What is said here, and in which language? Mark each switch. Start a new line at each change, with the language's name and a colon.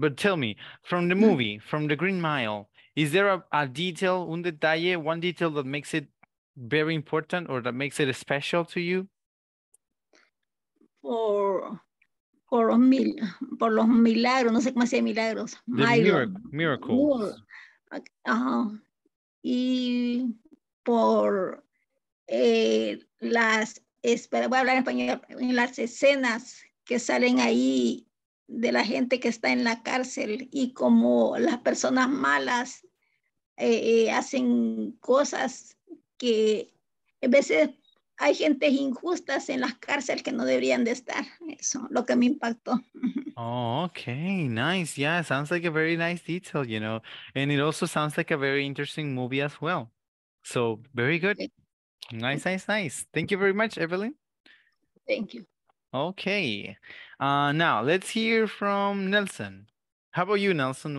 English: But tell me, from the movie, from the Green Mile, is there a detail,
Spanish: un detalle,
English: one detail that makes it very important or that makes it special to you?
Spanish: Por los milagros, no sé cómo se milagros.
English: Miracles.
Spanish: Y por las, espera, voy a hablar en español, en las escenas que salen ahí de la gente que está en la cárcel y como las personas malas hacen cosas que a veces hay gente injusta en las cárceles que no deberían de estar. Eso, lo que me impactó.
English: Oh, okay, nice. Yeah, sounds like a very nice detail, you know. And it also sounds like a very interesting movie as well. So, very good. Okay. Nice, nice, nice. Thank you very much, Evelyn. Thank you. Okay. Now, let's hear from Nelson. How about you, Nelson?